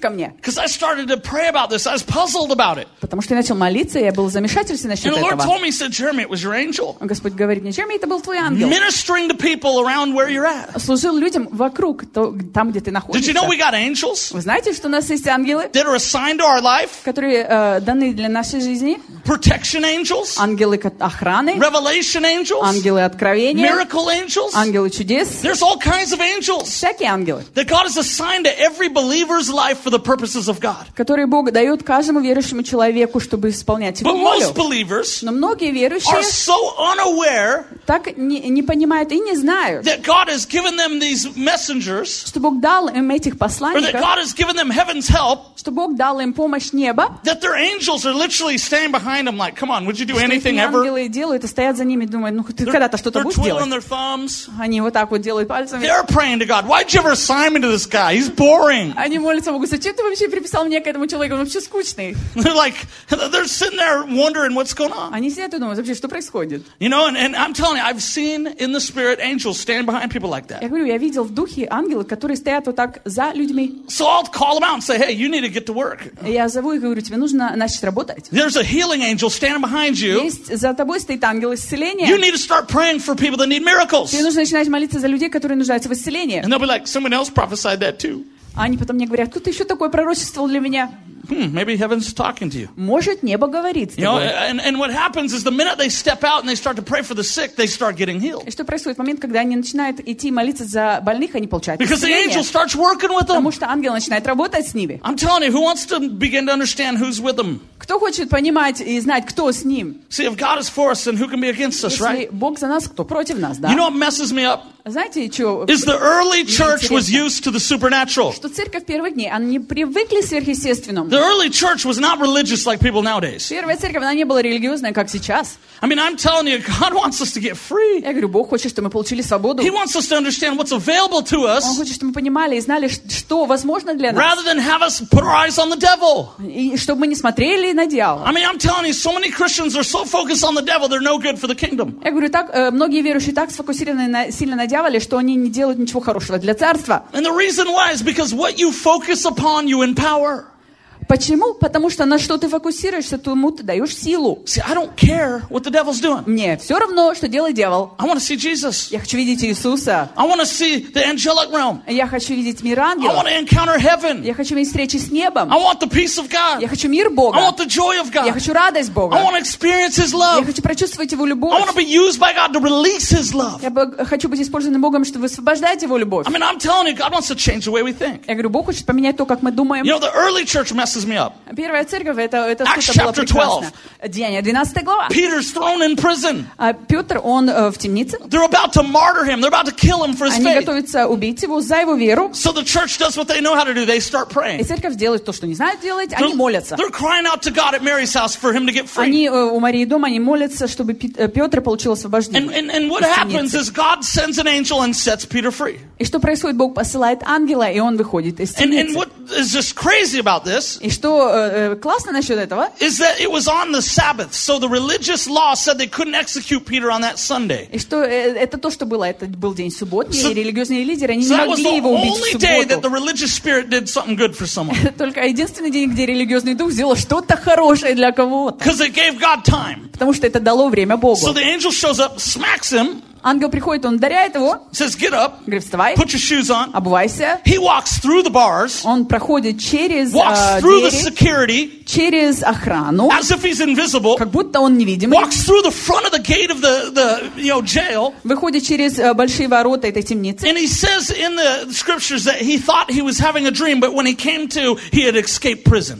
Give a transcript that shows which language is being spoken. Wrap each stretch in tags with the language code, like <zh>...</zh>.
<en>Because I started to pray about this, I was puzzled about it.</en> <ru>Потому что я начал молиться, я был в замешательстве насчет этого.</ru> <en>And the Lord told me, said, "Jeremy, it was your angel."</en> <ru>Господь говорит мне, Джереми, это был твой ангел.</ru> <en>Ministering to people around where you're at.</en> <ru>Служил людям вокруг, там где ты находишься.</ru> <en>Did you know we got angels?</en> <ru>Вы знаете, что у нас есть ангелы?</ru> <en>That are assigned to our life.</en> <ru>Которые даны для нашей жизни.</ru> <en>Protection angels.</en> <ru>Ангелы охраны.</ru> <en>Revelation angels.</en> <ru>Ангелы откровения.</ru> <en>Miracle angels.</en> <ru>Ангелы чудес.</ru> <en>There's all kinds of angels.</en> <ru>Всякие ангелы.</ru> <en>That God has assigned to every believer's life. For the purposes of God.</en> <ru>Который Бог дает каждому верующему человеку, чтобы исполнять его волю. Но многие верующие</ru> <en>are so unaware,</en> <ru>так не понимают и не знают,</ru> <en>that God has given them these messengers,</en> <ru>что Бог дал им этих посланников,</ru> <en>or that God has given them heaven's help,</en> <ru>что Бог дал им помощь неба,</ru> <en>that their angels are literally standing behind them like, come on, would you do anything ever?</en> <ru>Что ангелы делают, и стоят за ними, думают, ну ты когда-то что-то будешь делать?</ru> <en>They're twiddling their thumbs.</en> <ru>Они вот так вот делают пальцами.</ru> <en>They're praying to God. Why'd you ever assign me to this guy? He's boring.</en> <ru>Они молятся Богу, зачем ты вообще приписал мне к этому человеку? Он вообще скучный.</ru> <en>They're like, they're sitting there wondering what's going on.</en> <ru>Они сидят и думают, вообще, что происходит?</ru> <en>You know, and I'm telling you, I've seen in the spirit angels stand behind people like that.</en> <ru>Я говорю, я видел в духе ангелы, которые стоят вот так за людьми.</ru> <en>So I'll call them out and say, hey, you need to get to work.</en> <ru>Я зову и говорю, тебе нужно начать работать.</ru> <en>There's a healing angel standing behind you.</en> <ru>Есть за тобой стоит ангел исцеления.</ru> <en>You need to start praying for people that need miracles.</en> <ru>Тебе нужно начинать молиться за людей, которые нуждаются в исцелении.</ru> <en>And they'll be like, someone else prophesied that too.</en> <ru>Они потом мне говорят, кто-то еще такое пророчествовал для меня.</ru> <en>Maybe heaven's talking to you.</en> <ru>Может, небо говорит с тобой.</ru> <en>You know, and what happens is the minute they step out and they start to pray for the sick, they start getting healed.</en> <ru>И что происходит в момент, когда они начинают идти молиться за больных, они получают исцеление?</ru> <en>Because the angel starts working with them.</en> <ru>Потому что ангел начинает работать с ними.</ru> <en>I'm telling you, who wants to begin to understand who's with them?</en> <ru>Кто хочет понимать и знать, кто с ним?</ru> <en>See, if God is for us, then who can be against us, right?</en> <ru>Если Бог за нас, кто против нас, да?</ru> <en>You know what messes me up?</en> <ru>Знаете, что?</ru> <en>Is the early church was used to the supernatural?</en> <ru>Что церковь первых дней, они привыкли к сверхъестественному.</ru> <en>The early church was not religious like people nowadays.</en> <ru>Первая церковь, она не была религиозной, как сейчас.</ru> <en>I mean, I'm telling you, God wants us to get free.</en> <ru>Я говорю, Бог хочет, чтобы мы получили свободу.</ru> <en>He wants us to understand what's available to us.</en> <ru>Он хочет, чтобы мы понимали и знали, что возможно для нас.</ru> <en>Rather than have us put our eyes on the devil.</en> <ru>И чтобы мы не смотрели на дьявола.</ru> <en>I mean, I'm telling you, so many Christians are so focused on the devil, they're no good for the kingdom.</en> <ru>Я говорю, так многие верующие так сфокусированы сильно на дьяволе, что они не делают ничего хорошего для царства.</ru> <en>And the reason why is because what you focus upon, you empower.</en> <ru>Почему? Потому что на что ты фокусируешься, тому ты даешь силу.</ru> <en>See, I don't care what the devil's doing.</en> <ru>Мне все равно, что делает дьявол.</ru> <en>I want to see Jesus.</en> <ru>Я хочу видеть Иисуса.</ru> <en>I want to see the angelic realm.</en> <ru>Я хочу видеть мир ангелов.</ru> <en>I want to encounter heaven.</en> <ru>Я хочу иметь встречи с небом.</ru> <en>I want the peace of God.</en> <ru>Я хочу мир Бога.</ru> <en>I want the joy of God.</en> <ru>Я хочу радость Бога.</ru> <en>I want to experience His love.</en> <ru>Я хочу прочувствовать Его любовь.</ru> <en>I want to be used by God to release His love.</en> <ru>Я хочу быть использованным Богом, чтобы высвобождать Его любовь.</ru> <en>I mean, I'm telling you, God wants to change the way we think.</en> <ru>Я говорю, Бог хочет поменять то, как мы думаем.</ru> <en>You know, the early church messes</en> <ru>Первая церковь, это что-то было прекрасно. Деяния, 12 глава.</ru> <en>Peter's thrown in prison.</en> <ru>А Петр, он в темнице.</ru> <en>They're about to martyr him. They're about to kill him for his faith.</en> <ru>Они готовятся убить его за его веру.</ru> <en>So the church does what they know how to do. They start praying.</en> <ru>И церковь делает то, что не знает делать. Они молятся.</ru> <en>They're crying out to God at Mary's house for him to get free.</en> <ru>Они у Марии дома, они молятся, чтобы Петр получил освобождение.</ru> <en>And what happens is God sends an angel and sets Peter free.</en> <ru>И что происходит? Бог посылает ангела, и он выходит из темницы.</ru> <en>And what is just crazy about this?</en> <ru>И что классно насчет этого?</ru> <en>Is that it was on the Sabbath, so the religious law said they couldn't execute Peter on that Sunday.</en> <ru>И что это то, что было? Это был день субботний, и религиозные лидеры не могли его убить в субботу.</ru> <en>So that was the only day that the religious spirit did something good for someone.</en> <ru>Это только единственный день, где религиозный дух сделал что-то хорошее для кого-то.</ru> <en>Because it gave God time.</en> <ru>Потому что это дало время Богу.</ru> <en>So the angel shows up, smacks him.</en> <ru>Ангел приходит, он ударяет его.</ru> <en>Says, get up.</en> <ru>Говорит, вставай.</ru> <en>Put your shoes on.</en> <ru>Обувайся.</ru> <en>He walks through the bars.</en> <ru>Он проходит через</ru> <en>through</en> <ru>двери,</ru> <en>the security.</en> <ru>Через охрану.</ru> <en>As if he's invisible.</en> <ru>Как будто он невидимый.</ru> <en>Walks through the front of the gate of the you know, jail.</en> <ru>Выходит через большие ворота этой темницы.</ru> <en>And he says in the scriptures that he thought he was having a dream, but when he came to, he had escaped prison.</en>